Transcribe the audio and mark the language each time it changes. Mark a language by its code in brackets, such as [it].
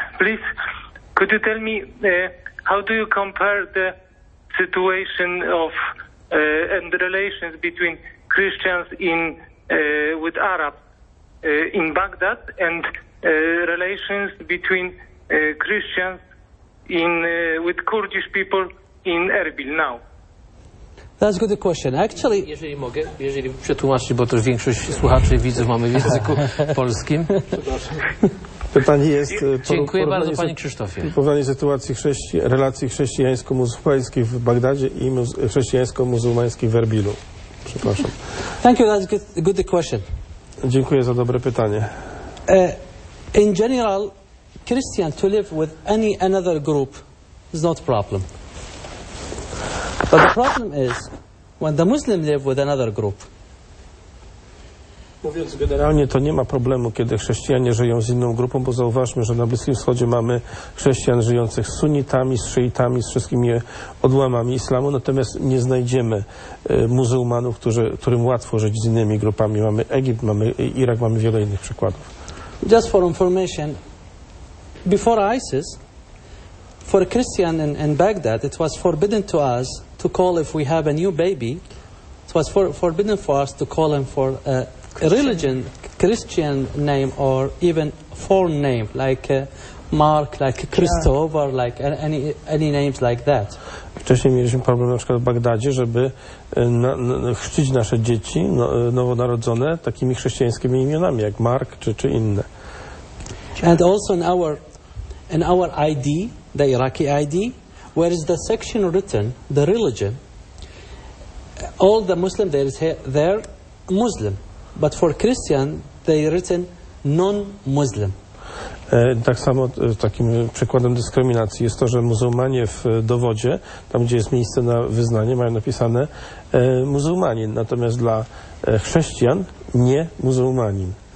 [en] Please, could you tell me how do you compare the situation of and the relations between Christians in with Arabs in Baghdad and relations between Christians in with Kurdish people in Erbil now? That's a good question. Actually, [pl] jeżeli mogę, jeżeli przetłumaczyć, bo to większość słuchaczy i widzów mamy w języku polskim. Pytanie jest... Dziękuję bardzo, panie Krzysztofie. Porównanie sytuacji relacji chrześcijańsko-muzułmańskiej w Bagdadzie i chrześcijańsko-muzułmańskiej w Erbilu. Przepraszam. [en] Thank you, that's a good question. [pl] Dziękuję za dobre pytanie. [en] In general, Christian to live with any another group is not problem. But the problem is when the Muslim live with another group. [pl] Mówiąc generalnie, to nie ma problemu, kiedy chrześcijanie żyją z inną grupą, bo zauważmy, że na Bliskim Wschodzie mamy chrześcijan żyjących z sunnitami, z szyitami, z wszystkimi odłamami islamu, natomiast nie znajdziemy muzułmanów, którym łatwo żyć z innymi grupami. Mamy Egipt, mamy Irak, mamy wiele innych przykładów. [en] Just for information, before ISIS, for a Christian in Baghdad, it was forbidden to us to call if we have a new baby, it was forbidden for us to call him for a religion, Christian name, or even foreign name, like Mark, like Christopher, yeah, like any names like that. [pl] Wcześniej mieliśmy problem na przykład w Bagdadzie, żeby chrzcić nasze dzieci nowonarodzone takimi chrześcijańskimi imionami, jak Mark czy inne. [en] And also in our ID, the Iraqi ID, where is the section written, the religion, all the Muslim there is there, Muslim. But for Christian, they written non-Muslim. [pl] Tak samo takim przykładem dyskryminacji jest to, że muzułmanie w dowodzie, tam gdzie jest miejsce na wyznanie, mają napisane muzułmanin, natomiast dla chrześcijan nie muzułmanin.